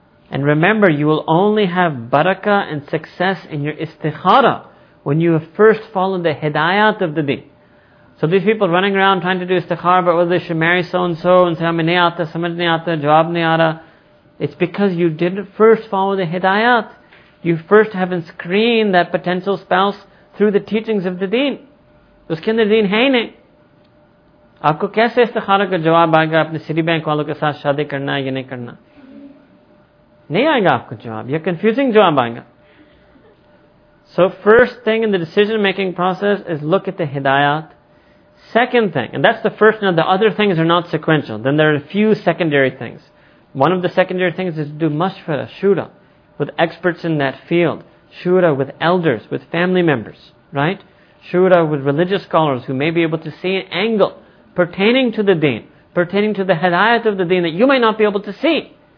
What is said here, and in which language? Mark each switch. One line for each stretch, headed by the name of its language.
English: And remember, you will only have barakah and success in your istikhara when you have first followed the hidayat of the deen. So these people running around trying to do استخارہ about whether they should marry so-and-so and say,
Urdu: امے نہیں آتا، سمجھ نہیں آتا،
English: جواب نہیں آتا. It's because you didn't first follow the hidayat. You first haven't screened that potential spouse through the teachings of the deen.
Urdu: اس کے اندر دین ہے نہیں. آپ کو کیسے استخارہ کا جواب آئے گا، اپنے city bank والو کے ساتھ شادی کرنا ہے یا نہیں کرنا. نہیں آئے گا آپ کو جواب. یا کنفیوزنگ جواب آئے گا.
English: So first thing in the decision-making process is look at the hidayat. Second thing, and that's the first. Now the other things are not sequential. Then there are a few secondary things. One of the secondary things is to do mashwara, shura, with experts in that field. Shura with elders, with family members, right? Shura with religious scholars who may be able to see an angle pertaining to the deen, pertaining to the hidayat of the deen that you might not be able to see.